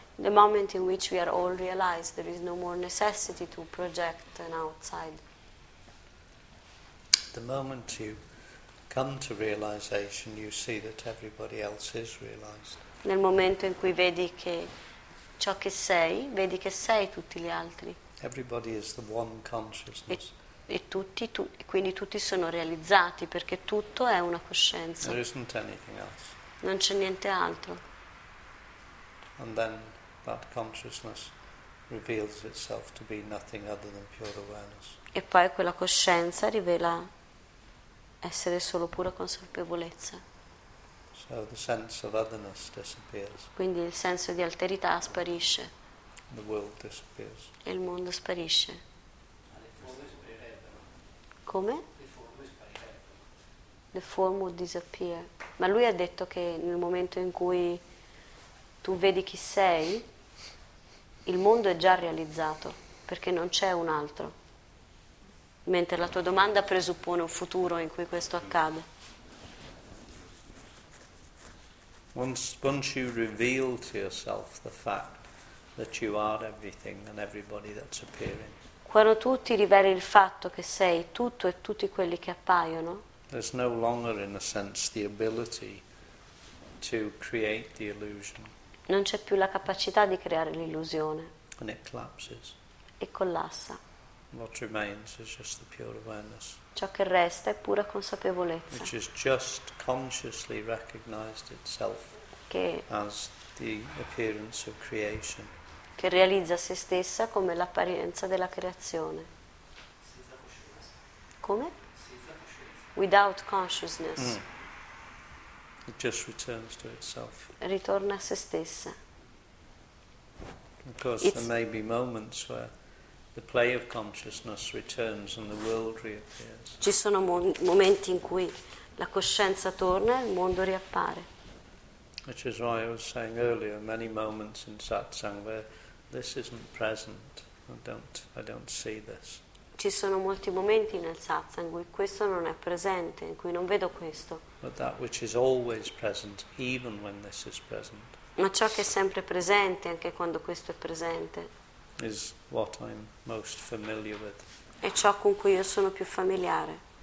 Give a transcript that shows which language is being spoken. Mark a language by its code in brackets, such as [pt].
[en] The moment in which we are all realized, there is no more necessity to project an outside. The moment you come to realization, you see that everybody else is realized. [it] Nel momento in cui vedi che ciò che sei, vedi che sei tutti gli altri. [en] Everybody is the one consciousness. [it] E quindi tutti sono realizzati perché tutto è una coscienza. [en] There isn't anything else. [it] Non c'è niente altro. [en] And then that consciousness reveals itself to be nothing other than pure awareness. [it] E poi quella coscienza rivela essere solo pura consapevolezza. [en] So the sense of otherness disappears. [it] Quindi il senso di alterità sparisce. [en] The world disappears. [it] E il mondo sparisce. Le forme sparirebbero. Come? Le forme sparirebbero. [en] The form would disappear. [it] Ma lui ha detto che nel momento in cui tu vedi chi sei, il mondo è già realizzato, perché non c'è un altro. Mentre la tua domanda presuppone un futuro in cui questo accade. [en] Once you reveal to yourself the fact that you are everything and everybody that's appearing. [it] Quando tu ti riveli il fatto che sei tutto e tutti quelli che appaiono. [en] There's no longer, in a sense, the ability to create the illusion. [it] Non c'è più la capacità di creare l'illusione. [en] And it collapses. [it] E collassa. [en] What remains is just the pure awareness. [it] Ciò che resta è pura consapevolezza. [en] Which has just consciously recognized itself [it] che, [en] as the appearance of creation. [it] Che realizza se stessa come l'apparenza della creazione. Senza coscienza. Come? Senza coscienza. [en] Without consciousness. Mm. It just returns to itself. [it] Ritorna a se stessa. [en] Of course, there may be moments where the play of consciousness returns and the world reappears. [it] Ci sono momenti in cui la coscienza torna e il mondo riappare. [en] Which is why I was saying earlier, many moments in satsang where this isn't present. I don't see this. [it] Ci sono molti momenti nel satsang in cui questo non è presente, in cui non vedo questo. [en] But that which is always present, even when this is present. [it] Ma ciò che è sempre presente, anche quando questo è presente. [en] Is what I'm most familiar with. [it] È ciò con cui io sono più familiare.